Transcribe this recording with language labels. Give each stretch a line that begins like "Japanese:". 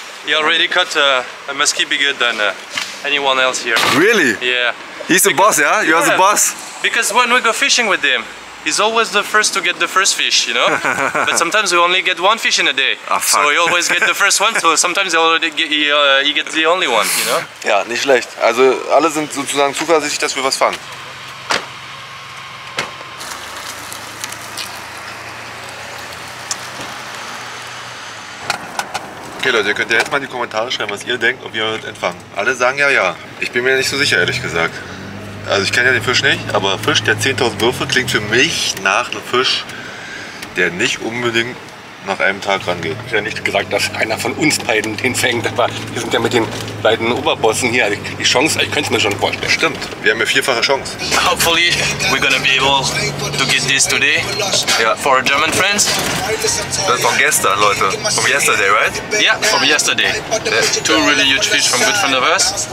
English: He already caught a muskie bigger than anyone else here. Really? Yeah. He's the boss, yeah? You're the boss? Because when we go fishing with him, he's always the first to get the first fish, you know? But sometimes we only get one fish in a day. Oh, so he always get the first one, so sometimes he gets the only one, you know?
German: Ja, nicht schlecht. Also alle sind sozusagen zuversichtlich, dass wir was fangen. Okay Leute, ihr könnt ja jetzt mal in die Kommentare schreiben, was ihr denkt, ob ihr euch entfangen. Alle sagen ja, ja. Ich bin mir nicht so sicher, ehrlich gesagt. Also ich kenne ja den Fisch nicht, aber Fisch, der 10.000 Würfe, klingt für mich nach einem Fisch, der nicht unbedingt nach einem Tag rangeht. Ich habe ja nicht gesagt, dass einer von uns beiden den fängt, aber wir sind ja mit den beiden Oberbossen hier. Die Chance, ich könnte es mir schon vorstellen. Stimmt, wir haben ja 4-fache Chance.
English: Hopefully we're gonna be able to get this today for our German friends.
German: Das von gestern, Leute.
English: From yesterday, right? Yeah, from yesterday. Yeah. 2 really huge fish from Good Friend of Us.